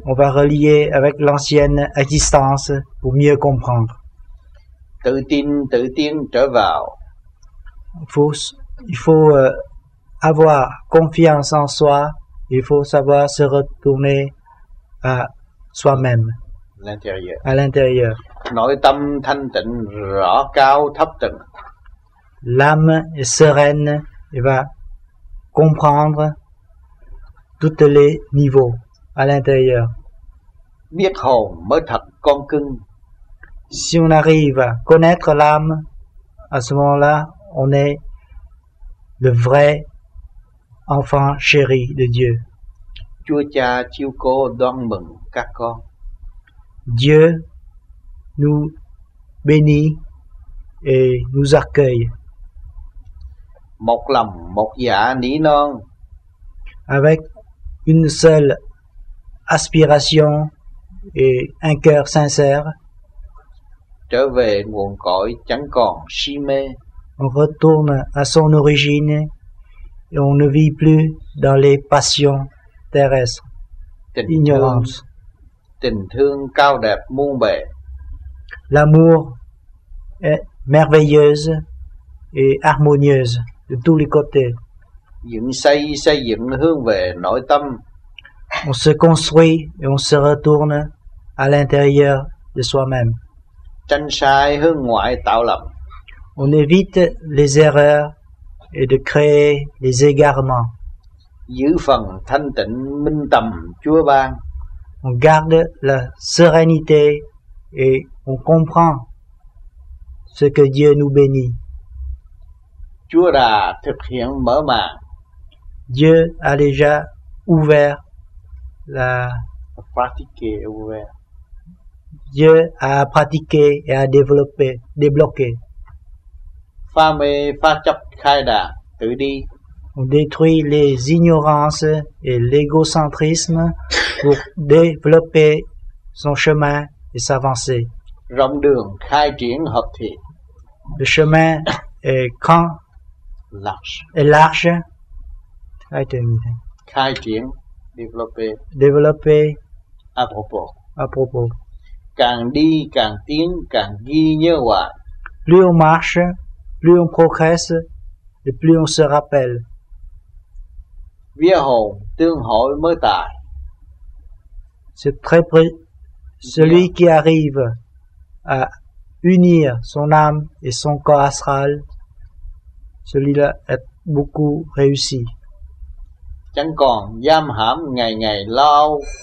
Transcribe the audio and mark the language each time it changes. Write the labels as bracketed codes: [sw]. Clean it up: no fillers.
[fr] On va relier avec l'ancienne existence pour mieux comprendre. [vi] Tự tin tự tiến trở vào. [fr] Il faut avoir confiance en soi. Il faut savoir se retourner à soi-même. L'intérieur. À l'intérieur. [vi] Nội tâm thanh tịnh rõ cao thấp tầng. [fr] L'âme est sereine et va comprendre tous les niveaux à l'intérieur. [vi] Biết hồn mới thật con cưng. [fr] Si on arrive à connaître l'âme, à ce moment-là, on est le vrai enfant chéri de Dieu. [vi] Chúa Cha chiếu cố đón mừng các con. [fr] Dieu nous bénit et nous accueille. [vi] Một lòng một dạ nỉ non. [fr] Avec une seule aspiration et un cœur sincère. [vi] Trở về nguồn cội chẳng còn si mê. [fr] On retourne à son origine et on ne vit plus dans les passions terrestres. Tình ignorance. [vi] Thương, tình thương cao đẹp muôn bề. [fr] L'amour est merveilleuse et harmonieuse de tous les côtés. [vi] Dựng xây xây dựng hướng về nội tâm. [fr] On se construit et on se retourne à l'intérieur de soi-même. [vi] Tranh sai hướng ngoại tạo lầm. [fr] On évite les erreurs et de créer les égarements. [vi] Giữ phần thanh tịnh minh tâm Chúa ban. [fr] On garde la sérénité et on comprend ce que Dieu nous bénit. [vi] Chúa đã thực hiện mở màn. [fr] Dieu a déjà ouvert la pratique ouvert. Dieu a pratiqué et a développé, débloqué. [vi] Phá mê, phá chấp, khai đạt, tự đi. [fr] On détruit les ignorances et l'égocentrisme pour développer son chemin et s'avancer. [vi] Rộng đường, khai triển, hợp thể. [fr] Le chemin est grand, large. Est large. [vi] Khai triển, khai triển, développer. [fr] Développer. À propos. À propos. [vi] Càng đi càng tiến càng ghi nhớ hoài. [fr] Plus on marche, plus on progresse et plus on se rappelle. [vi] Vía hồn tương hội mới tài. [fr] C'est très près. Celui qui arrive à unir son âme et son corps astral, celui-là est beaucoup réussi. [vi] Chẳng còn giam hãm ngày ngày lo âu.